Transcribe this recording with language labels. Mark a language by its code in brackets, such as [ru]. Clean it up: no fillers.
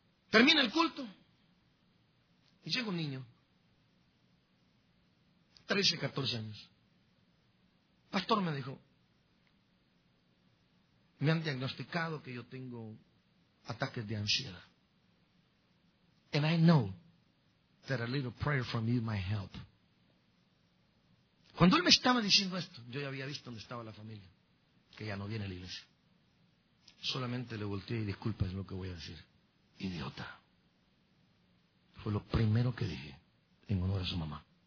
[es] Termina el culto y llega un niño. 13, 14 años. Pastor me dijo, me han diagnosticado que yo tengo ataques de ansiedad. [en] And I know that a little prayer from you might help. [es] Cuando él me estaba diciendo esto, yo ya había visto dónde estaba la familia, que ya no viene a la iglesia. Solamente le volteé y disculpa, es lo que voy a decir. Idiota. Fue lo primero que dije en honor a su mamá.